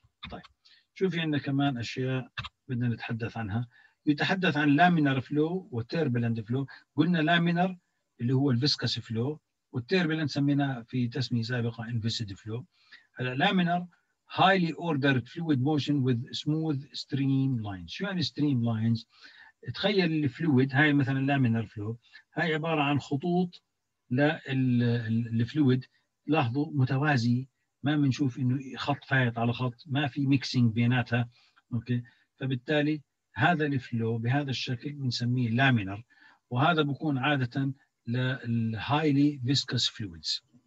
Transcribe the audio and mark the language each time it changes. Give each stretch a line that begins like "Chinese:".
Arabic: طيب شوفي عندنا كمان أشياء بدنا نتحدث عنها. يتحدث عن لامينر فلو والتيربلنت فلو. قلنا لامينر اللي هو الفيسكس فلو والتيربلنت سمينا في تسمية سابقة انفيسيد فلو.
English: هلا laminar highly ordered fluid motion with smooth stream lines.
Arabic: شو يعني stream lines؟ تخيل الفلويد هاي مثلا لامينر فلو هاي عبارة عن خطوط لا الفلويد لاحظوا متوازي ما منشوف انه خط فايت على خط ما في ميكسينج بيناتها اوكي فبالتالي هذا الفلو بهذا الشكل بنسميه لامينر وهذا بيكون عاده للهايلي فيسكس فلويدز